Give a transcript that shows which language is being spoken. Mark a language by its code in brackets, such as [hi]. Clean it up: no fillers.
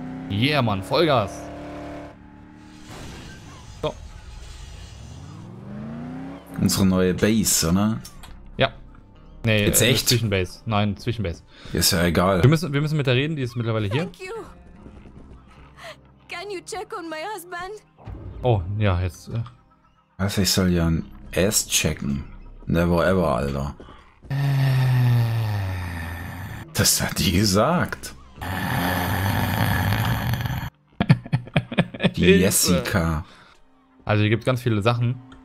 [de] Yeah, Mann, Vollgas. So. Unsere neue Base, oder? Ja. Nee, jetzt echt? Zwischenbase. Nein, Zwischenbase. Ist ja egal. Wir müssen mit der reden, die ist mittlerweile hier. [en] Thank you. Can you check on my husband? [de] Oh, ja, jetzt. Was, ich soll ja ein Ass checken? [en] Never ever, Alter. [de] Das hat die gesagt. Jessica. Also hier gibt es ganz viele Sachen.